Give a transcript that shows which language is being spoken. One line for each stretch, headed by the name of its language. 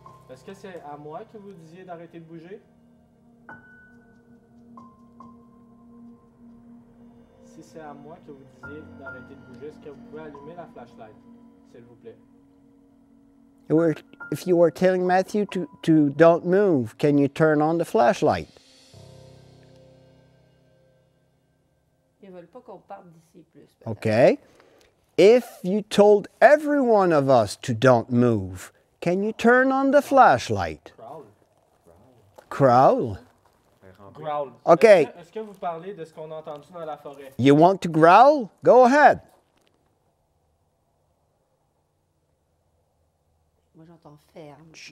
French: Est-ce que c'est à moi que vous disiez d'arrêter de bouger? Si c'est à moi que vous disiez d'arrêter de bouger, est-ce que vous pouvez allumer la flashlight, s'il vous plaît?
English: If you were telling Matthew to don't move, can you turn on the flashlight?
French: Ils veulent pas qu'on parte d'ici plus.
English: Okay. If you told every one of us to don't move, can you turn on the flashlight? Growl. Growl? Okay.
French: Est-ce que vous parlez de ce qu'on a entendu dans la forêt?
English: You want to growl? Go ahead.
French: Moi, j'entends ferme.